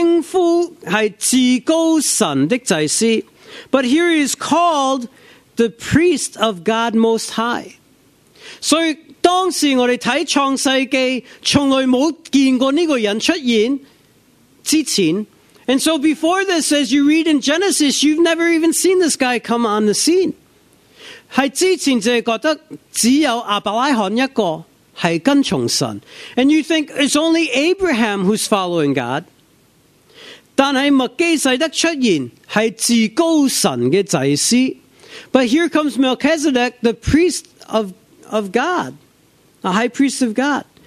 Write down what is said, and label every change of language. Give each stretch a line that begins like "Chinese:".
Cantonese: 但是他这里称呼是至高神的祭司。
English: But here he is called the priest of God Most High.
Cantonese: So 当时我们看创世纪，从来没见过这个人出现之前。
English: And so before this, as you read in Genesis, you've never even seen this guy come on the scene.
Cantonese: 是之前就觉得只有阿伯拉罕一个是跟从神。
English: And you think it's only Abraham who's following God.
Cantonese: 但是麦基洗德出现是至高神的祭司。
English: But here comes Melchizedek, the priest of God, a high priest of God.